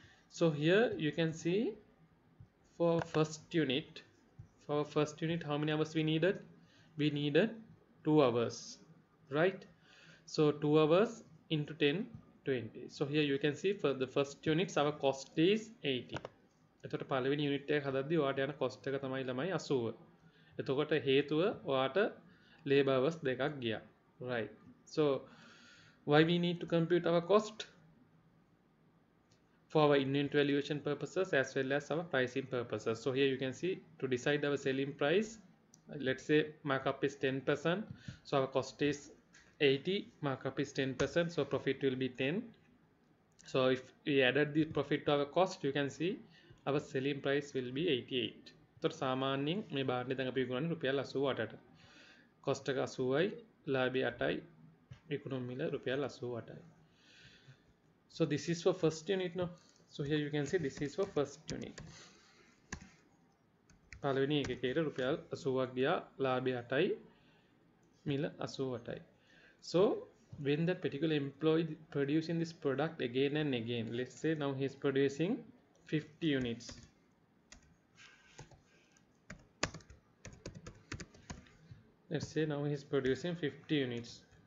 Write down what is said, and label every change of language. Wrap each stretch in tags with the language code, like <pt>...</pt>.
<en>So here you can see for first unit how many hours we needed? We needed 2 hours, right? So 2 hours into 10, 20. So here you can see for the first units our cost is 80.</en> <si>එතකොට පළවෙනි unit එක හදද්දී ඔයාට යන cost එක තමයි ළමයි 80. එතකොට හේතුව ඔයාට labor hours දෙකක් ගියා.</si> <en>Right. So why we need to compute our cost? For our unit valuation purposes as well as our pricing purposes. So here you can see to decide our selling price, let's say markup is 10%. So our cost is 80, markup is 10%, so profit will be 10. So if we added the profit to our cost, you can see our selling price will be 88. So</en> <si>සාමාන්‍යයෙන් මේ බාහිර දඟ අපි විකුණන්නේ රුපියල් 88ට. Cost එක 80යි, ලාභය 8යි, විකුණුම් මිල රුපියල් 88යි.</si> <en>So this is for first unit no. So here you can see this is for first unit.</en> <si>පළවෙනි එකේට රුපියල් 80ක් ගියා, ලාභය 8යි, මිල 88යි.</si> <en>So when that particular employee producing this product again and again, let's say now he is producing 50 units. Let's say now he is producing 50 units.</en>